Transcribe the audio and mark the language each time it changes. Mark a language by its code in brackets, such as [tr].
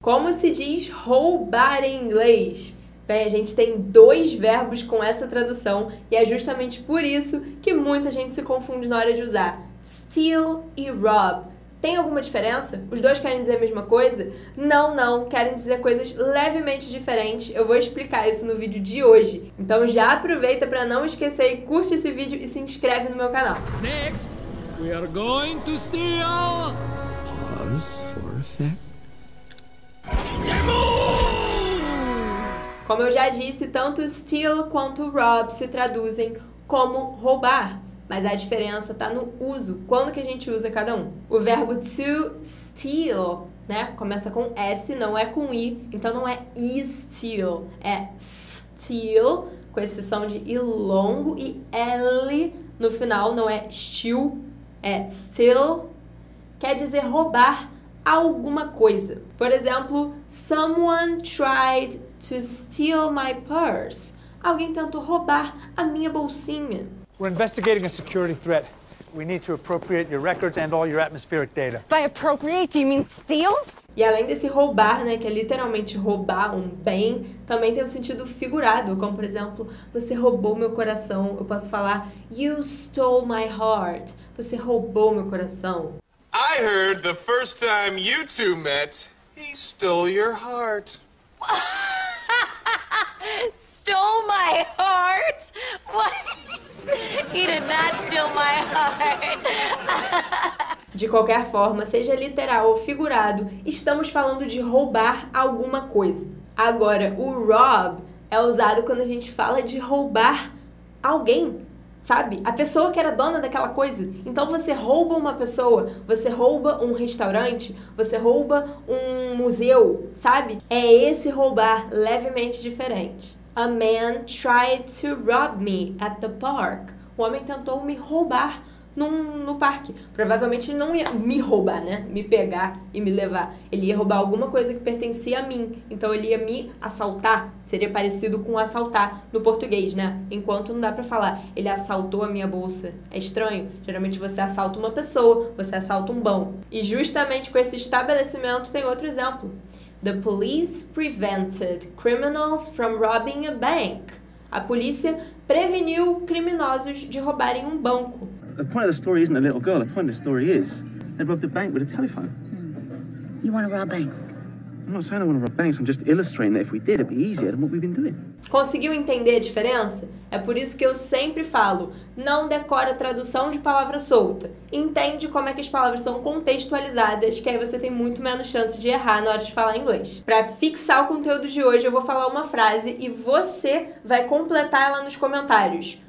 [pt] Como se diz roubar em inglês? Bem, a gente tem dois verbos com essa tradução e é justamente por isso que muita gente se confunde na hora de usar steal e rob. Tem alguma diferença? Os dois querem dizer a mesma coisa? Não, não, querem dizer coisas levemente diferentes. Eu vou explicar isso no vídeo de hoje. Então já aproveita para não esquecer e curte esse vídeo e se inscreve no meu canal. [en] Next, we are going to steal. Pause for effect. [pt] Como eu já disse, tanto steal quanto rob se traduzem como roubar, mas a diferença está no uso, quando que a gente usa cada um. O verbo to steal, né, começa com S, não é com I, então não é steal, é steal, com esse som de I longo e L no final, não é steal, é steal, quer dizer roubar alguma coisa. Por exemplo, [en] someone tried to steal my purse. [pt] Alguém tentou roubar a minha bolsinha. [en] We're investigating a security threat. We need to appropriate your records and all your atmospheric data. By appropriate, do you mean steal? [pt] E além desse roubar, né, que é literalmente roubar um bem, também tem o um sentido figurado, como por exemplo, você roubou meu coração. Eu posso falar, [en] you stole my heart. [pt] Você roubou meu coração. [en] I heard the first time you two met, he stole your heart. Stole my heart? What? He did not steal my heart. [pt] De qualquer forma, seja literal ou figurado, estamos falando de roubar alguma coisa. Agora, o rob é usado quando a gente fala de roubar alguém. Sabe? A pessoa que era dona daquela coisa. Então você rouba uma pessoa, você rouba um restaurante, você rouba um museu, sabe? É esse roubar levemente diferente. [en] A man tried to rob me at the park. [pt] O homem tentou me roubar no parque. Provavelmente ele não ia me roubar, né? Me pegar e me levar. Ele ia roubar alguma coisa que pertencia a mim. Então ele ia me assaltar. Seria parecido com assaltar no português, né? Enquanto não dá pra falar, ele assaltou a minha bolsa. É estranho. Geralmente você assalta uma pessoa, você assalta um banco. E justamente com esse estabelecimento tem outro exemplo. [en] The police prevented criminals from robbing a bank. [pt] A polícia preveniu criminosos de roubarem um banco. [en] The point of the story isn't a little girl. The point of the story is they robbed a bank with a telephone. You want to rob banks? I'm not saying I want to rob banks. I'm just illustrating that if we did, it'd be easier than what we've been doing. [pt] Conseguiu entender a diferença? É por isso que eu sempre falo, não decora tradução de palavra solta. Entende como é que as palavras são contextualizadas, que aí você tem muito menos chance de errar na hora de falar inglês. Para fixar o conteúdo de hoje, eu vou falar uma frase e você vai completar ela nos comentários.